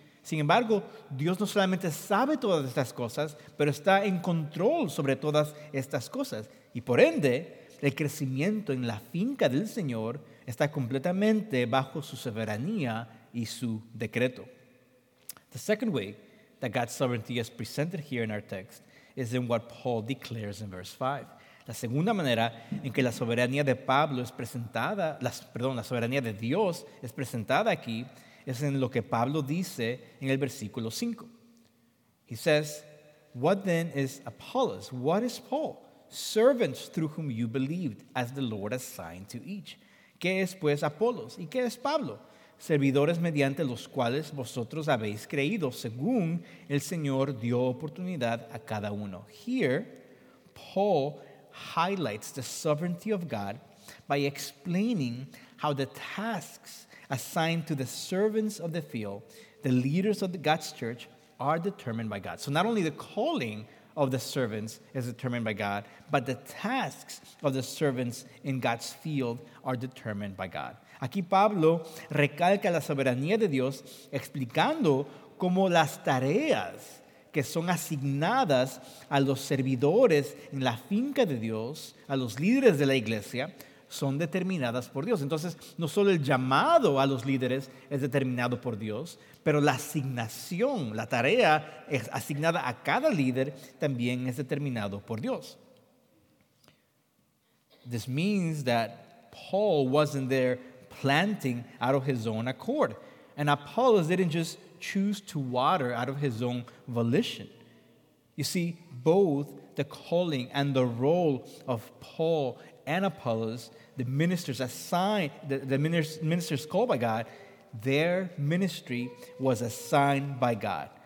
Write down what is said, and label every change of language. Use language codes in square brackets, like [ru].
[es] Sin embargo, Dios no solamente sabe todas estas cosas, pero está en control sobre todas estas cosas. Y por ende, el crecimiento en la finca del Señor está completamente bajo su soberanía y su decreto. [en] The second way that God's sovereignty is presented here in our text is in what Paul declares in verse 5. [es] La segunda manera en que la soberanía de Pablo es presentada, la soberanía de Dios es presentada aquí, es en lo que Pablo dice en el versículo 5. [en] He says, "What then is Apollos? What is Paul? Servants through whom you believed, as the Lord assigned to each." [es] ¿Qué es pues Apollos? ¿Y qué es Pablo? Servidores mediante los cuales vosotros habéis creído, según el Señor dio oportunidad a cada uno. [en] Here, Paul highlights the sovereignty of God by explaining how the tasks assigned to the servants of the field, the leaders of God's church, are determined by God. So not only the calling of the servants is determined by God, but the tasks of the servants in God's field are determined by God. [es] Aquí Pablo recalca la soberanía de Dios explicando cómo las tareas que son asignadas a los servidores en la finca de Dios, a los líderes de la iglesia, son determinadas por Dios. Entonces, no solo el llamado a los líderes es determinado por Dios, pero la asignación, la tarea asignada a cada líder también es determinado por Dios. [en] This means that Paul wasn't there planting out of his own accord, and Apollos didn't just choose to water out of his own volition. You see, both the calling and the role of Paul and Apollos, the ministers assigned, the ministers called by God, their ministry was assigned by God.